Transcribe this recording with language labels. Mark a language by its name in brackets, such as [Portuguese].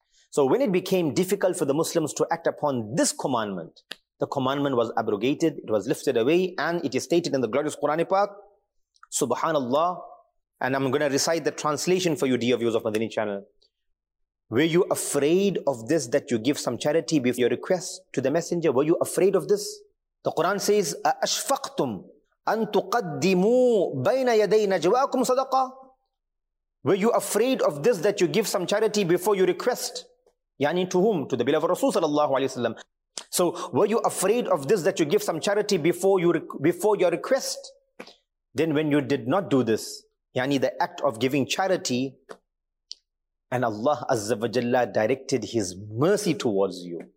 [English] So when it became difficult for the Muslims to act upon this commandment, the commandment was abrogated, it was lifted away, and it is stated in the glorious Quran Pak, Subhanallah, and I'm going to recite the translation for you, dear viewers of Madani channel. Were you afraid of this, that you give some charity before your request to the messenger? Were you afraid of this? The Quran says, [Arabic] أَأَشْفَقْتُمْ أَن تُقَدِّمُوا بَيْنَ يَدَيْ نَجْوَاكُمْ صَدَقًا. [English] Were you afraid of this, that you give some charity before you request? Yani to whom? To the beloved Rasul sallallahu alayhi wa sallam. So were you afraid of this, that you give some charity before your request? Then when you did not do this, yani the act of giving charity, and Allah Azza wa Jalla directed His mercy towards you.